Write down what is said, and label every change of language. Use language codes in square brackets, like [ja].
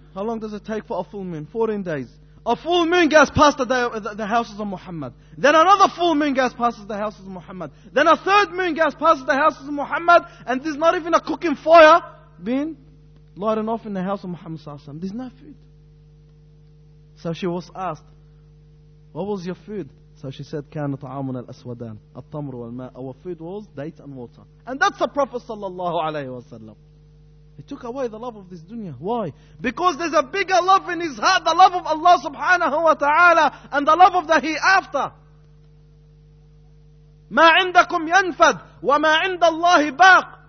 [en] How long does it take for a full moon? 14 days. A full moon goes past the houses of Muhammad. Then another full moon goes past the houses of Muhammad. Then a third moon goes past the houses of Muhammad. And there's not even a cooking fire being lighted off in the house of Muhammad sallallahu alaihi wasallam. There's no food. So she was asked, what was your food? So she said, [ar] كَانَ طَعَامُنَا الْأَسْوَدَانِ الطَّمْرُ وَالْمَاءِ. [en] Our food was date and water. And that's the Prophet sallallahu alayhi wa sallam. He took away the love of this dunya. Why? Because there's a bigger love in his heart, the love of Allah subhanahu wa ta'ala, and the love of the hereafter. [ar] مَا عِنْدَكُمْ يَنْفَدْ وَمَا عِنْدَ اللَّهِ بَاقْ.